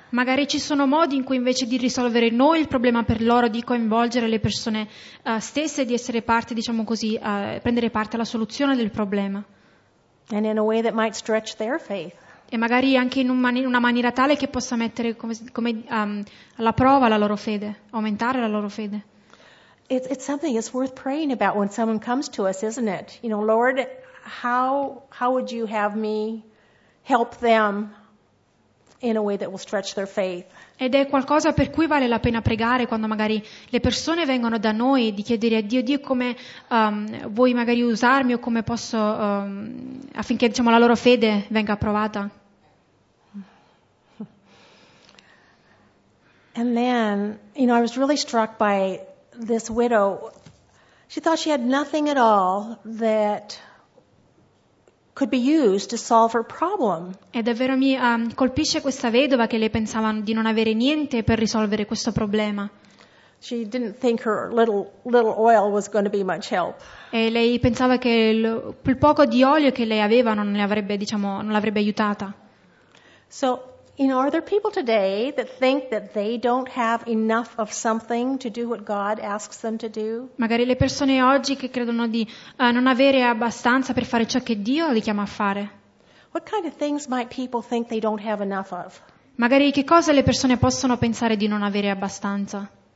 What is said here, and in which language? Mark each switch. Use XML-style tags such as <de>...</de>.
<it>Magari ci sono modi in cui invece di risolvere noi il problema per loro, di coinvolgere le persone stesse, di essere parte, diciamo così, prendere parte alla soluzione del problema.</it> <en>And in a way that might stretch their faith.</en> <it>E magari anche in una maniera tale che possa mettere alla prova la loro fede, aumentare la loro fede.</it> <en>it's something that's worth praying about when someone comes to us, isn't it? You know, Lord, how would you have me help them in a way that will stretch their faith?</en> <it>Ed è qualcosa per cui vale la pena pregare quando magari le persone vengono da noi, di chiedere a Dio, Dio, come vuoi magari usarmi o come posso affinché diciamo la loro fede venga provata.</it> <en>And then, you know, I was really struck by this widow. She thought she had nothing at all that could be used to solve her problem.</en> <it>E davvero mi colpisce questa vedova che lei pensava di non avere niente per risolvere questo problema.</it> <en>She didn't think her little oil was going to be much help.</en> <it>E lei pensava che il poco di olio che lei aveva non le avrebbe, diciamo, non l'avrebbe aiutata.</it> <en>So, you know, are there people today that think that they don't have enough of something to do what God asks them to do?</en> <it>Magari le persone oggi che credono di non avere abbastanza per fare ciò che Dio li chiama a fare.</it> <en>What kind of things might people think they don't have enough of?</en> <it>Magari che cosa le persone possono pensare di non avere abbastanza?</it>